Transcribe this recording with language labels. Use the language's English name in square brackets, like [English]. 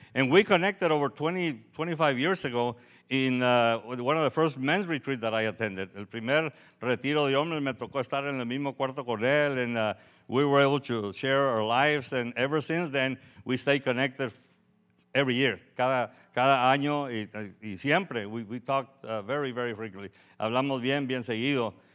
[English] And we connected over 20, 25 years ago in one of the first men's retreats that I attended. [Spanish] El primer retiro de hombres me tocó estar en el mismo cuarto con él. [English] And we were able to share our lives. And ever since then, we stay connected every year. [Spanish] Cada año y siempre. [English] We talk very, very frequently. [Spanish] Hablamos bien, bien seguido.